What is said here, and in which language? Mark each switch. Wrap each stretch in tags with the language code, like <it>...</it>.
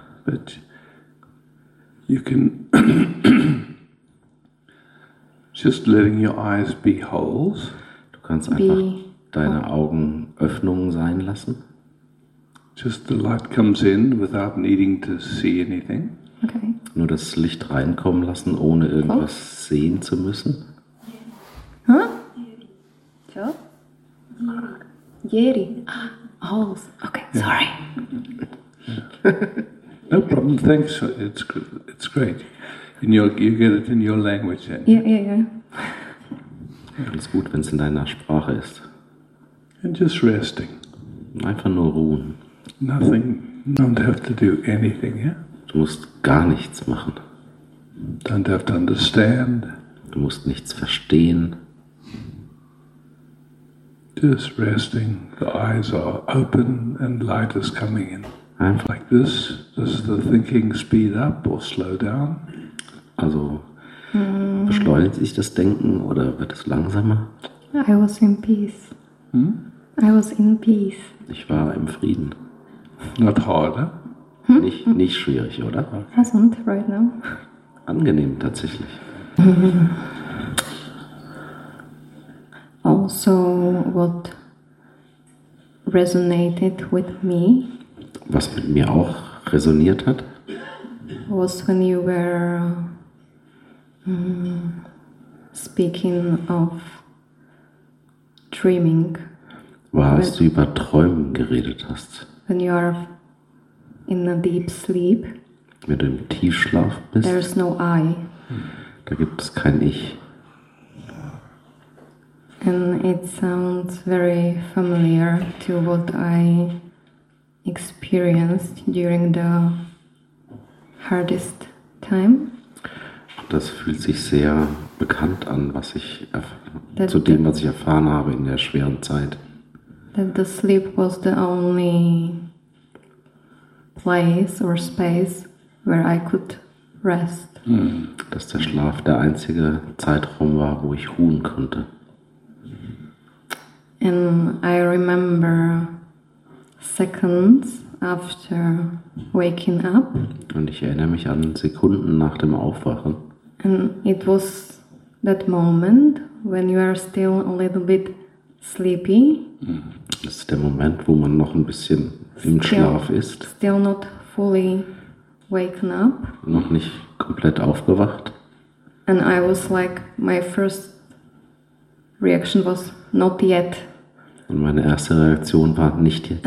<en>But you can just letting your eyes be holes.</en> <de>Du kannst einfach deine Augen Öffnungen sein lassen.</de> <en>Just the light comes in without needing to see anything. Okay.</en> <de>Nur das Licht reinkommen lassen, ohne irgendwas sehen zu müssen.</de> <en>Huh? So? Yeri. Holes. Okay, yeah. Sorry. No problem, thanks. It's great. You get it in your language then. Yeah.</en> <de>Ganz gut, wenn es in deiner Sprache ist.</de> <en>And just resting.</en> <de>Einfach nur ruhen.</de> <en>Nothing. Don't have to do anything, yeah?</en> <de>Du musst gar nichts machen.</de> <en>Don't have to understand.</en> <de>Du musst nichts verstehen.</de> <en>Just resting. The eyes are open and light is coming in.</en> <de>Einfach</de> <en>like this. Does the thinking speed up or slow down?</en> <de>Also beschleunigt sich das Denken oder wird es langsamer?</de> <en>I was in peace. I was in peace.</en> <de>Ich war im Frieden.</de> <en>Not hard, huh?</en> <de>Nicht schwierig, oder?</de> <en>Hasn't right now.</en> <de>Angenehm tatsächlich.</de> <en>Also what resonated with me.</en> <de>Was mit mir auch resoniert hat.</de> <en>Was when you were speaking of dreaming.</en> <de>War, als du über Träumen geredet hast.</de> <en>When you are in a deep sleep.</en> <de>Wenn du im Tiefschlaf bist.</de> <en>There is no I.</en> <de>Da gibt es kein Ich.</de> <en>And it sounds very familiar to what I experienced during the hardest time.</en> <de>Das fühlt sich sehr bekannt an, was ich zu dem, was ich erfahren habe in der schweren Zeit.</de> <en>That the sleep was the only place or space where I could rest.</en> <de>Dass der Schlaf der einzige Zeitraum war, wo ich ruhen konnte.</de> <en>And I remember seconds after waking up.</en> <de>Und ich erinnere mich an Sekunden nach dem Aufwachen.</de> <en>And it was that moment when you are still a little bit sleepy.</en> <de>Das ist der Moment, wo man noch ein bisschen im Schlaf ist.</de> <en>Still not fully waken up.</en> <de>Noch nicht komplett aufgewacht.</de> <en>And I was like, my first reaction was not yet.</en> <de>Und meine erste Reaktion war nicht jetzt.</de>